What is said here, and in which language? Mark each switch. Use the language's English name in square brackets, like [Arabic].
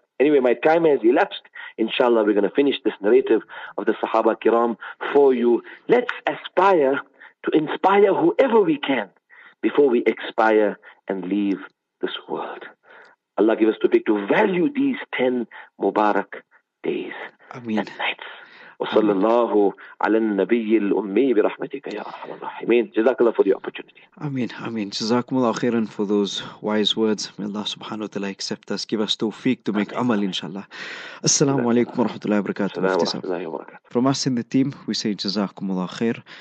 [English] Anyway, my time has elapsed. Inshallah, we're going to finish this narrative of the Sahaba kiram for you. Let's aspire to inspire whoever we can before we expire and leave this world. Allah give us to pick to value these 10 Mubarak days and nights. [Arabic] وصلى الله على النبي الأمي برحمتك يا رحمة الله. [English] Amin. [Arabic] جزاك الله [English] for the opportunity. Amin. Amin. [Arabic] جزاكم الله خيرا [English] for those wise words. May Allah subhanahu wa ta'ala accept us. Give us tawfiq to make amal, inshallah. Assalamu alaikum wa rahmatullahi wa barakatuh. Assalamu alaikum wa rahmatullahi wa barakatuh. From us in the team, we say [Arabic] جزاكم الله خير.